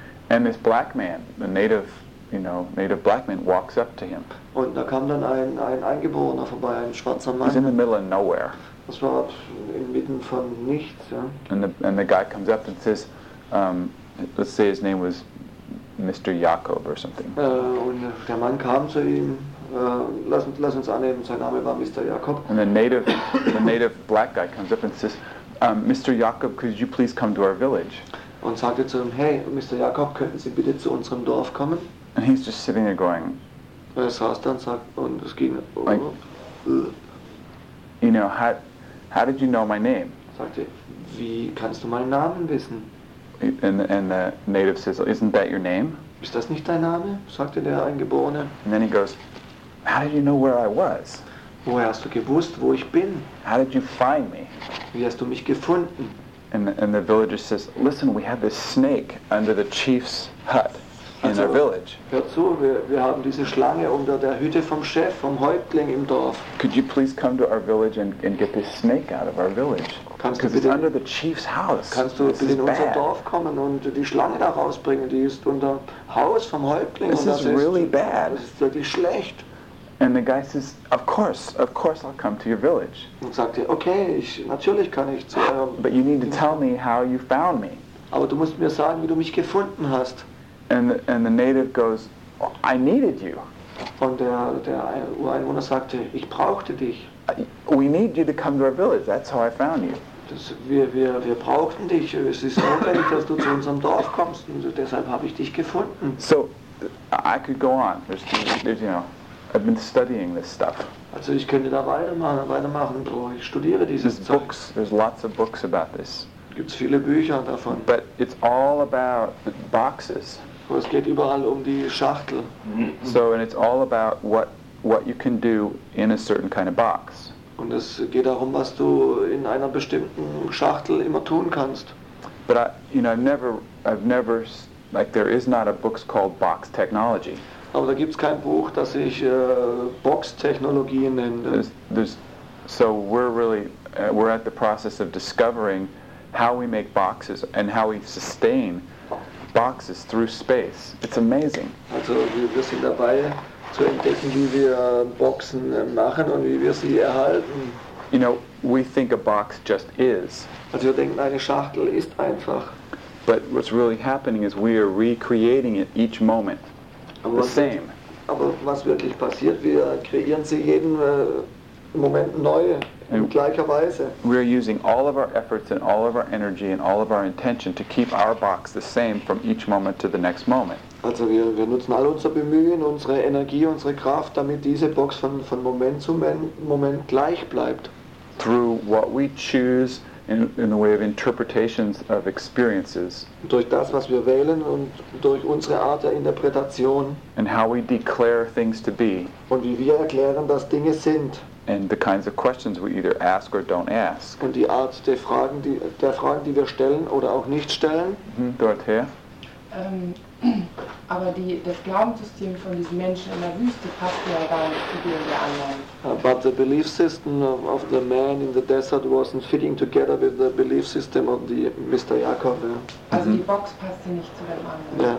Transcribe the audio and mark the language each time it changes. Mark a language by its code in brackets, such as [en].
[en] And this black man, the native, native black man, walks up to him. [de] Und da kam dann ein Eingeborener vorbei, ein schwarzer Mann. [en] He's in the middle of nowhere. [de] Das war inmitten von nichts. Ja. [en] And the guy comes up and says, let's say his name was Mr. Jacob or something. [de] Und der Mann kam zu ihm. Lass uns annehmen, sein Name war Mr. Jacob. [en] And the native black guy comes up and says, Mr. Jacob, could you please come to our village? [de] Und sagte zu ihm, hey, Mr. Jacob, könnten Sie bitte zu unserem Dorf kommen? [en] And he's just sitting there going, [de] und er saß dann und es ging, [en] how did you know my name? [de] Sagte, wie kannst du meinen Namen wissen? [en] And the native says, isn't that your name? [de] Ist das nicht dein Name? Sagte der Eingeborene. [en] And then he goes, how did you know where I was? [de] Woher hast du gewusst, wo ich bin? [en] How did you find me? [de] Wie hast du mich gefunden? [en] And the villager says, listen, we have this snake under the chief's hut in our village. [de] Hör zu, wir haben diese Schlange unter der Hütte vom Chef, vom Häuptling im Dorf. [en] Could you please come to our village and get this snake out of our village? [de] Kannst du bitte, [en] it's under the chief's house. [de] Kannst du bitte in unser Dorf kommen und die Schlange da rausbringen? Die ist unter Haus vom Häuptling. [en] This is really bad. [de] Das ist wirklich schlecht. [en] And the guy says, of course I'll come to your village. [de] Und sagte, okay, natürlich kann ich zu eurem. [en] But you need to tell me how you found me. [de] Aber du musst mir sagen, wie du mich gefunden hast. [en] And the native goes, I needed you. [de] Und der Ureinwohner sagte, ich brauchte dich. [en] We need you to come to our village. That's how I found you. [de] Wir brauchten dich. Es ist notwendig, dass du zu unserem Dorf kommst. Und deshalb habe ich dich gefunden. [en] So, I could go on. There's you know. I've been studying this stuff. [de] Also ich könnte da weitermachen, bro. Ich studiere dieses Zeug. [en] Books, there's lots of books about this. [de] Gibt's viele Bücher davon. [en] But it's all about boxes. [de] Es geht überall die Schachtel. [en] So, and it's all about what you can do in a certain kind of box. [de] Und es geht darum, was du in einer bestimmten Schachtel immer tun kannst. [en] But I've never, like there is not a book called Box Technology. [de] Aber da gibt's kein Buch, das sich Box-Technologien nennt. [en] We're at the process of discovering how we make boxes and how we sustain boxes through space. It's amazing. [de] Also wir sind dabei zu entdecken, wie wir Boxen machen und wie wir sie erhalten. [en] You know, we think a box just is. [de] Also wir denken, eine Schachtel ist einfach. [en] But what's really happening is we are recreating it each moment. The same. [de] Aber was wirklich passiert, wir kreieren sie jeden Moment neu, in gleicher Weise. [en] We are using all of our efforts and all of our energy and all of our intention to keep our box the same from each moment to the next moment. [de] Also wir nutzen all unser Bemühen, unsere Energie, unsere Kraft, damit diese Box von Moment zu Moment gleich bleibt. [en] Through what we choose in the way of interpretations of experiences. [de] Durch das, was wir wählen und durch unsere Art der Interpretation. [en] And how we declare things to be. [de] Und wie wir erklären, dass Dinge sind. [en] And the kinds of questions we either ask or don't ask. [de] Und die Art der Fragen, die wir stellen oder auch nicht stellen. Mm-hmm. Dorothea? Aber das Glaubenssystem von diesen Menschen in der Wüste passt ja gar nicht zu denen der anderen. [en] But the belief system of the man in the desert wasn't fitting together with the belief system of the Mr. Jakob. Yeah. [de] Also mm-hmm. Die Box passte nicht zu dem anderen.